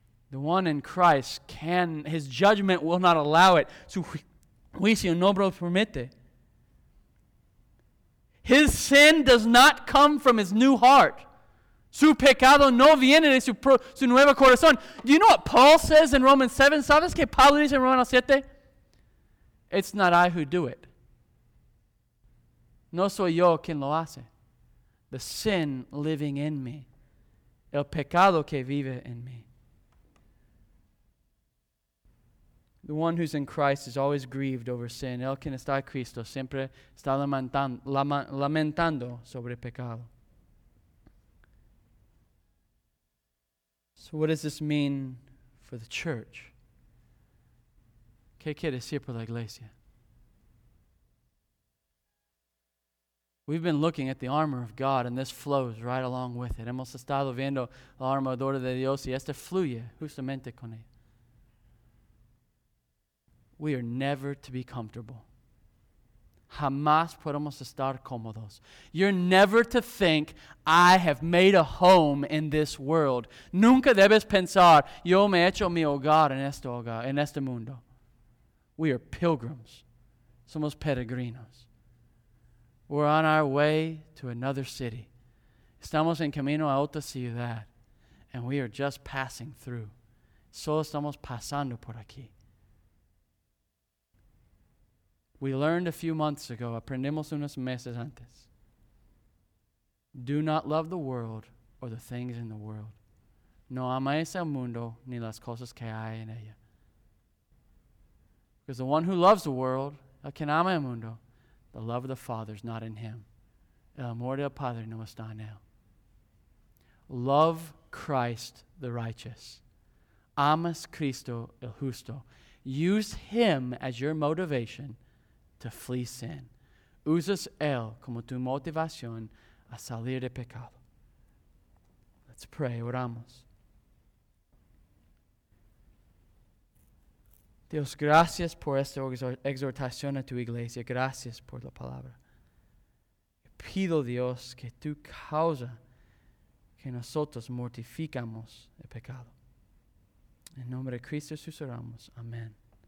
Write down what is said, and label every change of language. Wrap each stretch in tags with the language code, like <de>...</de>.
<en>The one in Christ can, his judgment will not allow it.</en> <es>Su juicio no lo permite.</es> <en>His sin does not come from his new heart.</en> <es>Su pecado no viene de su nuevo corazón.</es> <en>Do you know what Paul says in Romans 7?</en> <es>¿Sabes qué Pablo dice en Romanos 7?</es> <en>It's not I who do it.</en> <es>No soy yo quien lo hace.</es> <en>The sin living in me.</en> <es>El pecado que vive en mí.</es> <en>The one who's in Christ is always grieved over sin.</en> <es>El quien está en Cristo siempre está lamentando sobre pecado.</es> <en>So what does this mean for the church?</en> <es>¿Qué quiere decir para la iglesia?</es> <en>We've been looking at the armor of God, and this flows right along with it.</en> <es>Hemos estado viendo la armadura de Dios, y este fluye justamente con él.</es> <en>We are never to be comfortable.</en> <es>Jamás podemos estar cómodos.</es> <en>You're never to think, I have made a home in this world.</en> <es>Nunca debes pensar, yo me he hecho mi hogar en este hogar, en este mundo.</es> <en>We are pilgrims.</en> <es>Somos peregrinos.</es> <en>We're on our way to another city.</en> <es>Estamos en camino a otra ciudad.</es> <en>And we are just passing through.</en> <es>Solo estamos pasando por aquí.</es> <en>We learned a few months ago,</en> <es>aprendimos unos meses antes.</es> <en>Do not love the world or the things in the world.</en> <es>No ames el mundo ni las cosas que hay en ella.</es> <en>Because the one who loves the world,</en> <es>el que ama el mundo,</es> <en>the love of the Father is not in him.</en> <es>El amor del Padre no está en él.</es> <en>Love Christ the righteous.</en> <es>Amas Cristo el justo.</es> <en>Use him as your motivation to flee sin.</en> <es>Usas él como tu motivación a salir de pecado.</es> <en>Let's pray.</en> <es>Oramos. Dios, gracias por esta exhortación a tu iglesia. Gracias por la palabra. Pido, Dios, que tu causa que nosotros mortificamos el pecado. En nombre de Cristo, susurramos. Amén.</es>